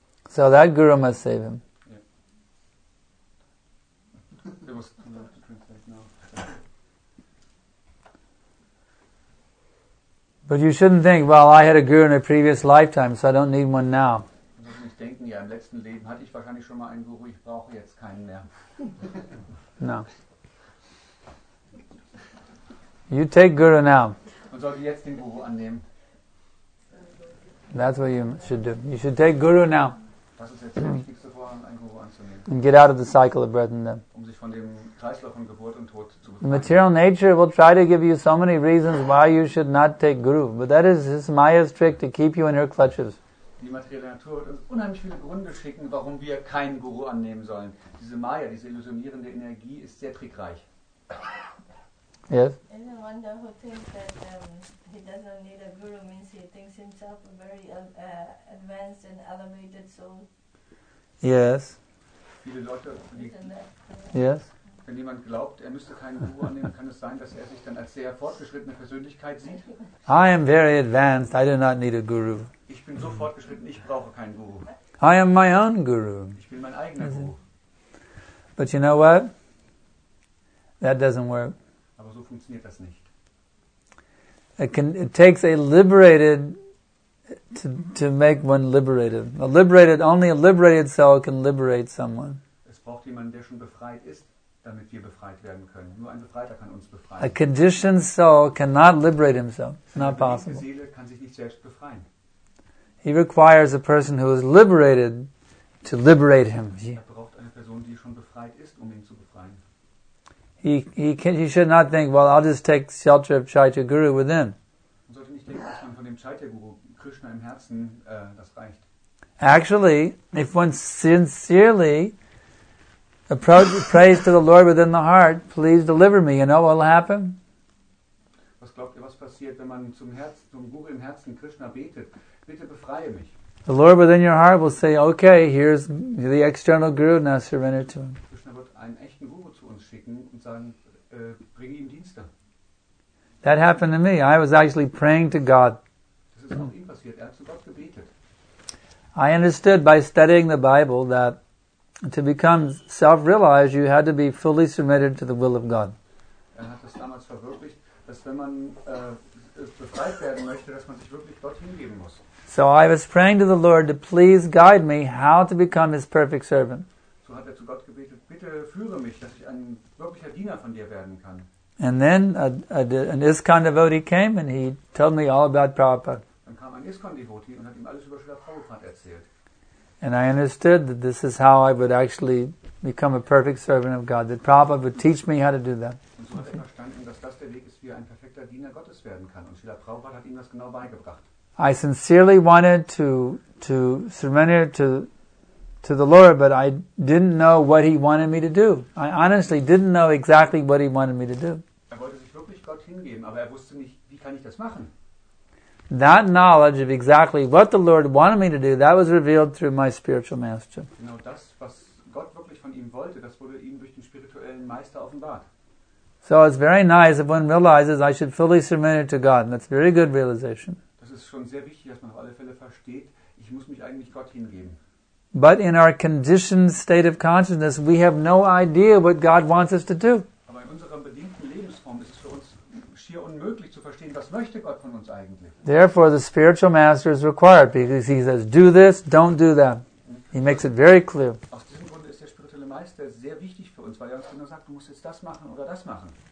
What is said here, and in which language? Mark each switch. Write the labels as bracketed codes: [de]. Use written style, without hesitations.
[en] So that guru must save him. Yeah. It was too loud to translate now. But you shouldn't think, well, I had a guru in a previous lifetime, so I don't need one now. [de] Du musst nicht denken, ja, im letzten Leben hatte ich wahrscheinlich schon mal einen Guru, ich brauche jetzt keinen mehr. [en] No. You take guru now. [de] Man sollte jetzt den Guru annehmen. [en] That's what you should do. You should take guru now. [de] Das ist jetzt das Wichtigste vorhaben, einen Guru anzunehmen. [en] And get out of the cycle of birth and death. [de] Um sich von dem Kreislauf von Geburt und Tod zu befreien. [en] The material nature will try to give you so many reasons why you should not take guru. But that is Maya's trick to keep you in her clutches. [de] Die materielle Natur wird uns unheimlich viele Gründe schicken, warum wir keinen Guru annehmen sollen. Diese Maya, diese illusionierende Energie, ist sehr trickreich. [en] Yes. Isn't one who thinks that he doesn't need a guru means he thinks himself a very advanced and elevated soul? Yes. [de] Viele Leute. [en] Isn't that? Yes. [de] wenn jemand glaubt, er müsste keinen Guru annehmen, kann es sein, dass er sich dann als sehr fortgeschrittene Persönlichkeit sieht? [en] I am very advanced. I do not need a guru. [de] Ich bin so fortgeschritten, ich brauche keinen Guru. [en] I am my own guru. [de] Ich bin mein eigener Guru. [en] But you know what? That doesn't work. [de] Aber so funktioniert das nicht. [en] It takes a liberated to make one liberated. A liberated, only a liberated soul can liberate someone. [de] Es braucht jemanden, der schon befreit ist, damit wir befreit werden können. Nur ein Befreiter kann uns befreien. [en] A conditioned soul cannot liberate himself. It's not possible. [de] Eine Seele kann sich nicht selbst befreien. [en] He requires a person who is liberated to liberate him. [de] Er braucht eine Person, die schon befreit ist, um ihn zu befreien. [en] He should not think, well, I'll just take shelter of Chaitya Guru within. [de] Man sollte nicht denken, dass man von dem Chaitya Guru Krishna im Herzen das reicht. [en] Actually, if one sincerely prays to the Lord within the heart, please deliver me, you know what will happen? [de] Was glaubt ihr, was passiert, wenn man zum Guru im Herzen Krishna betet? Bitte befreie mich. [en] The Lord within your heart will say, okay, here's the external Guru, now surrender to him. [de] Krishna wird einen echten Guru zu uns schicken und sagen, bring ihm Dienste. [en] That happened to me. I was actually praying to God. [de] Das ist auch ihm passiert. Er hat zu Gott gebetet. [en] I understood by studying the Bible that to become self-realized, you had to be fully submitted to the will of God. [de] Er hat das damals verwirklicht, dass wenn man befreit werden möchte, dass man sich wirklich Gott hingeben muss. [en] So I was praying to the Lord to please guide me how to become His perfect servant. [de] So hat er zu Gott gebetet, bitte führe mich, dass ich ein wirklicher Diener von dir werden kann. [en] And then an ISKCON devotee came and he told me all about Prabhupada. [de] Dann kam ein ISKCON devotee und hat ihm alles über Srila Prabhupada erzählt. [en] And I understood that this is how I would actually become a perfect servant of God, that Prabhupada would teach me how to do that. [de] Und so hat er verstanden, dass das der Weg ist, wie er ein perfekter Diener Gottes werden kann. Und Srila Prabhupada hat ihm das genau beigebracht. [en] I sincerely wanted to surrender to the Lord, but I didn't know what He wanted me to do. I honestly didn't know exactly what He wanted me to do. [de] Er wollte sich wirklich Gott hingeben, aber er wusste nicht, wie kann ich das machen? [en] That knowledge of exactly what the Lord wanted me to do, that was revealed through my spiritual master. [de] Genau das, was Gott wirklich von ihm wollte, das wurde ihm durch den spirituellen Meister offenbart. [en] So it's very nice if one realizes I should fully surrender to God. That's a very good realization. [de] Es ist schon sehr wichtig, dass man auf alle Fälle versteht, ich muss mich eigentlich Gott hingeben. [en] But in our conditioned state of consciousness, we have no idea what God wants us to do. [de] Aber in unserer bedingten Lebensform ist es für uns schier unmöglich zu verstehen, was möchte Gott von uns eigentlich. [en] Therefore, the spiritual master is required, because he says, do this, don't do that. He makes it very clear. [de] Aus diesem Grund ist der spirituelle Meister sehr wichtig für uns, weil er uns genau sagt, du musst jetzt das machen oder das machen.